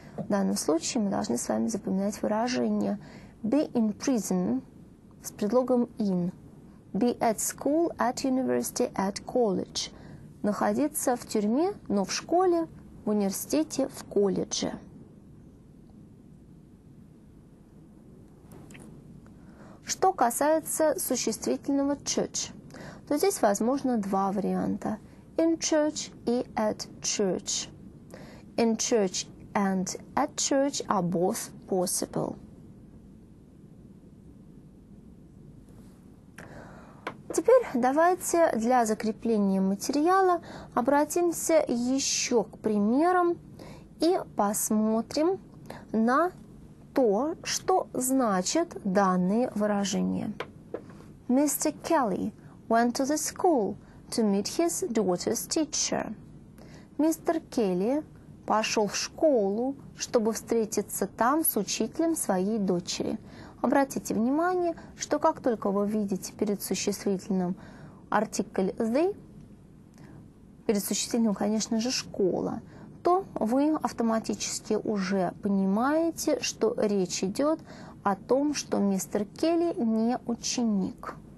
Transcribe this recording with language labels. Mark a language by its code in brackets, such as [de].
[ru] В данном случае мы должны с вами запоминать выражение [en] be in prison [ru] с предлогом in, [en] be at school, at university, at college, [ru] находиться в тюрьме, но в школе, в университете, в колледже. Что касается существительного church, то здесь возможно два варианта. [en] In church и at church. In church and at church are both possible. [ru] Теперь давайте для закрепления материала обратимся еще к примерам и посмотрим на то, что значит данные выражения. [en] Mr. Kelly went to the school to meet his daughter's teacher. [ru] Мистер Келли пошел в школу, чтобы встретиться там с учителем своей дочери. Обратите внимание, что как только вы видите перед существительным артикль the, перед существительным, конечно же, школа, то вы автоматически уже понимаете, что речь идет о том, что мистер Келли не ученик.